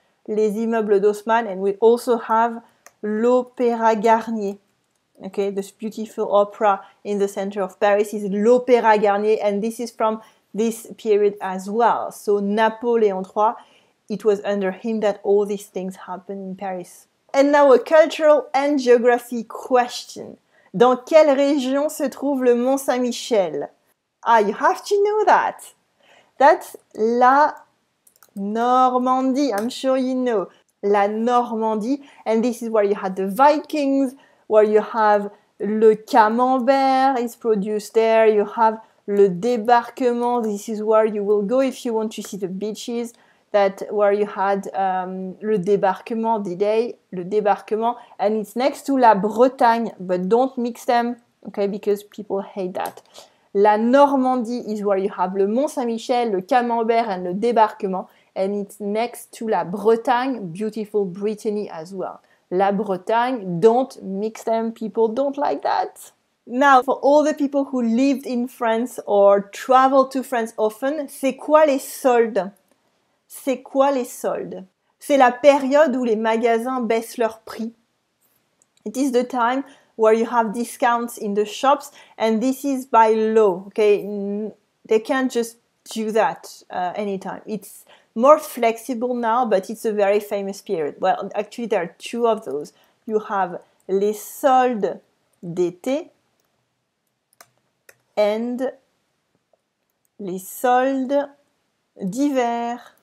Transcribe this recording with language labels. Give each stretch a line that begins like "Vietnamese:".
French: Les immeubles d'Haussmann,
English: and we also have l'Opéra Garnier. Okay, this beautiful opera in the center of Paris is l'Opéra Garnier, and this is from this period as well. So Napoléon III, it was under him that all these things happened in Paris. And now a cultural and geography question.
French: Dans quelle région se trouve le Mont Saint-Michel?
English: Ah, you have to know that. That's la Normandie, I'm sure you know. La Normandie, and this is where you had the Vikings, where you have le camembert is produced there, you have le débarquement, this is where you will go if you want to see the beaches, that where you had le débarquement, D-Day, le débarquement, and it's next to la Bretagne, but don't mix them, okay, because people hate that. La Normandie is where you have le Mont-Saint-Michel, le camembert and le débarquement, and it's next to la Bretagne, beautiful Brittany as well. La Bretagne, don't mix them, people don't like that. Now, for all the people who lived in France or travel to France often,
French: c'est quoi les soldes? C'est quoi les soldes? C'est la période où les magasins baissent leur prix.
English: It is the time where you have discounts in the shops, and this is by law, okay? They can't just do that anytime. It's more flexible now, but it's a very famous period. Well, actually, there are two of those. You have
French: les soldes d'été
English: and
French: les soldes d'hiver.